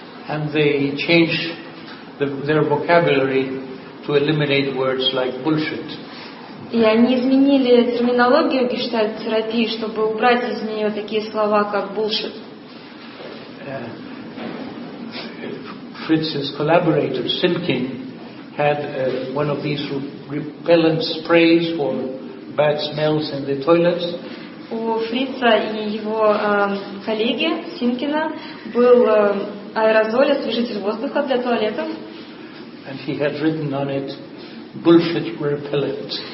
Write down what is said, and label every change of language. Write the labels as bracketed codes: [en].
[en] And they change their vocabulary to eliminate words like bullshit. [ru] И они изменили терминологию гештальт-терапии, чтобы убрать из нее такие слова, как bullshit. [en] Fritz's collaborator Simkin had one of these repellent sprays for bad smells in the toilets. [ru] У Фрица и его коллеги Симкина был аэрозоль, освежитель воздуха для туалетов. [en] And he had written on it bullshit repellent.